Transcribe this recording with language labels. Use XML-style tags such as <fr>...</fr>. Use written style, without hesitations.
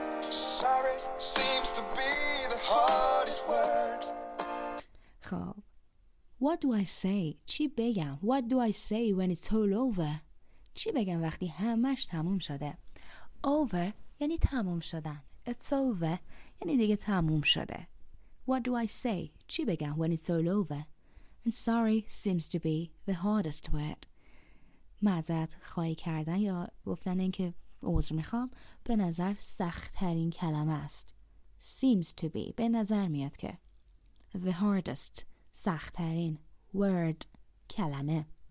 <en>Sorry seems to be the hardest word. خب What do I say؟</en> <fa>چی بگم؟</fa> <en>What do I say when it's all over؟</en> <fa>چی بگم وقتی همش تموم شده؟</fa> <en>Over</en> <fa>یعنی تموم شدن.</fa> <en>It's over</en> <fa>یعنی دیگه تموم شده.</fa> <en>What do I say؟</en> <fa>چی بگم</fa> <en>when it's all over؟ And sorry seems to be the hardest word.</en> <fa>معذرت خواهی کردن یا گفتن اینکه عذر میخوام به نظر سخت ترین کلمه است.</fa> <en>Seems to be</en> <fa>به نظر میاد که</fa> <en>the hardest</en> <fa>سخت ترین</fa> <en>word</en> <fa>کلمه.</fa>